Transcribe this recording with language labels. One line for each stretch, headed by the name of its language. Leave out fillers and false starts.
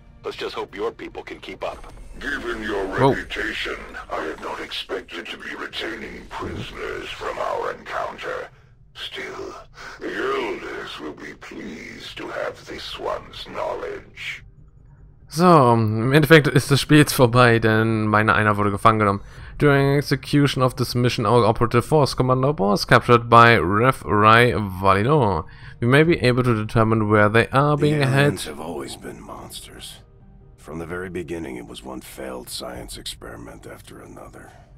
English: Let's just hope your people can keep up. Given your reputation, I had not expected to be retaining prisoners from our encounter. Still, the elders will be pleased to have this one's knowledge.
German: So, im Endeffekt ist das Spiel jetzt vorbei, denn meine Einer wurde gefangen genommen.
English: During execution of this mission, our operative force commander was captured by Ref Rai Valinor. We may be able to determine where they are being held. The aliens have always been monsters. From the very beginning, it was one failed science experiment after another.